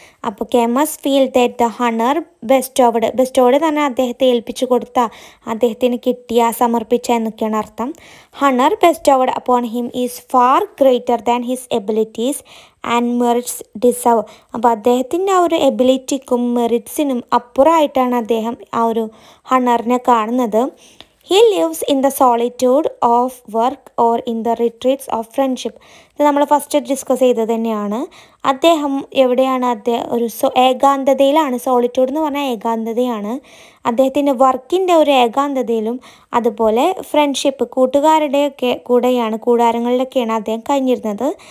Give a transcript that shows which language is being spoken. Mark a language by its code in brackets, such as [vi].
[ml] അപ്പോൾ Kamas [en] feel that the honour bestowed, [ml] best award തന്നെ അദ്ദേഹത്തെ ഏൽപ്പിച്ച് കൊടുത്ത, അദ്ദേഹത്തിന് കിട്ടിയ, സമർപ്പിച്ച എന്നൊക്കെയാണ് അർത്ഥം. [en] Honour bestowed upon him is far greater than his abilities and merits deserve. [ml] അപ്പോൾ അദ്ദേഹത്തിൻ്റെ ആ ഒരു എബിലിറ്റിക്കും മെറിറ്റ്സിനും അപ്പുറമായിട്ടാണ് അദ്ദേഹം ആ ഒരു ഹണറിനെ കാണുന്നത്. [en] He lives in the solitude of work or in the retreats of friendship. [ml] ഇത് നമ്മൾ ഫസ്റ്റ് ഡിസ്കസ് ചെയ്തത് തന്നെയാണ്. അദ്ദേഹം എവിടെയാണ്, അദ്ദേഹം ഒരു ഏകാന്തതയിലാണ്. സോളിറ്റ്യൂഡ് എന്ന് പറഞ്ഞാൽ ഏകാന്തതയാണ്. അദ്ദേഹത്തിൻ്റെ വർക്കിൻ്റെ ഒരു ഏകാന്തതയിലും അതുപോലെ ഫ്രണ്ട്ഷിപ്പ് കൂട്ടുകാരുടെയൊക്കെ കൂടെയാണ്, കൂടാരങ്ങളിലൊക്കെയാണ് അദ്ദേഹം കഴിഞ്ഞിരുന്നത്.